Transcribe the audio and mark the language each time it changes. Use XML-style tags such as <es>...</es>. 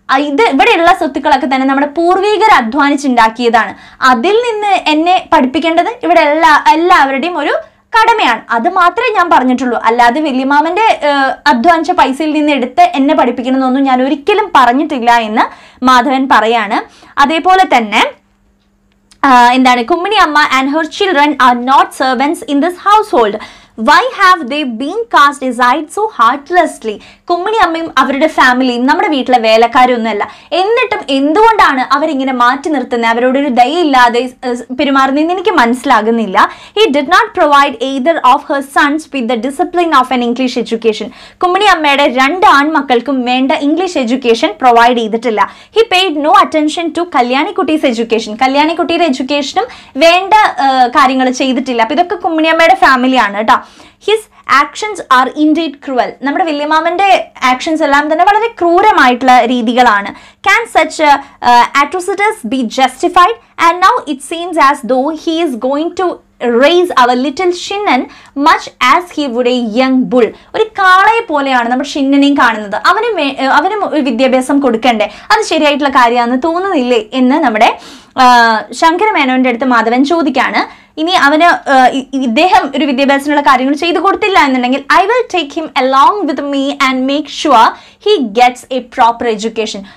<ml>ഇത് ഇവിടെയുള്ള സ്വത്തുക്കളൊക്കെ തന്നെ നമ്മുടെ പൂർവികർ അധ്വാനിച്ചുണ്ടാക്കിയതാണ്, അതിൽ നിന്ന് എന്നെ പഠിപ്പിക്കേണ്ടത് ഇവിടെ എല്ലാവരുടെയും ഒരു കടമയാണ്, അത് മാത്രമേ ഞാൻ പറഞ്ഞിട്ടുള്ളൂ. അല്ലാതെ വല്യമാമൻ്റെ അധ്വാനിച്ച പൈസയിൽ നിന്ന് എടുത്ത് എന്നെ പഠിപ്പിക്കണമെന്നൊന്നും ഞാൻ ഒരിക്കലും പറഞ്ഞിട്ടില്ല എന്ന് മാധവൻ പറയാണ്. അതേപോലെ തന്നെ എന്താണ്,</ml> <en>Kummini Amma and her children are not servants in this household. Why have they been cast aside so heartlessly?</en> <ml>Kummini അമ്മയും അവരുടെ ഫാമിലിയും നമ്മുടെ വീട്ടിലെ വേലക്കാരൊന്നുമല്ല, എന്നിട്ടും എന്തുകൊണ്ടാണ് അവരിങ്ങനെ മാറ്റി നിർത്തുന്നത്, അവരോടൊരു ദയയില്ലാതെ പെരുമാറുന്നതെന്ന് എനിക്ക് മനസ്സിലാകുന്നില്ല.</ml> <en>He did not provide either of her sons with the discipline of an English education.</en> <ml>Kummini അമ്മയുടെ രണ്ട് ആൺമക്കൾക്കും വേണ്ട ഇംഗ്ലീഷ് എഡ്യൂക്കേഷൻ പ്രൊവൈഡ് ചെയ്തിട്ടില്ല.</ml> <en>He paid no attention to Kalyanikutty's education.</en> <ml>കല്യാണിക്കുട്ടിയുടെ എഡ്യൂക്കേഷനും വേണ്ട കാര്യങ്ങൾ ചെയ്തിട്ടില്ല. അപ്പൊ ഇതൊക്കെ കുമ്മിണി അമ്മയുടെ ഫാമിലിയാണ് കേട്ടോ.</ml> <en>His actions are indeed cruel.</en> <ml>നമ്മുടെ വില്യം മാമൻ്റെ ആക്ഷൻസ് എല്ലാം തന്നെ വളരെ ക്രൂരമായിട്ടുള്ള രീതികളാണ്.</ml> <en>Can such atrocities be justified? And now it seems as though he is going to raise our little Shinnan much as he would a young bull.</en> <ml>ഒരു കാളയെ പോലെയാണ് നമ്മുടെ ഷിന്നനെയും കാണുന്നത്. അവനും വിദ്യാഭ്യാസം കൊടുക്കണ്ടേ, അത് ശരിയായിട്ടുള്ള കാര്യമാണെന്ന് തോന്നുന്നില്ലേ എന്ന് നമ്മുടെ ശങ്കരമേനോൻ്റെ അടുത്ത് മാധവൻ ചോദിക്കുകയാണ്. ഇനി അവന് ഇദ്ദേഹം ഒരു വിദ്യാഭ്യാസത്തിനുള്ള കാര്യങ്ങൾ ചെയ്തു കൊടുത്തില്ല എന്നുണ്ടെങ്കിൽ,</ml> <en>I will take him along with me and make sure he gets a proper education.</en>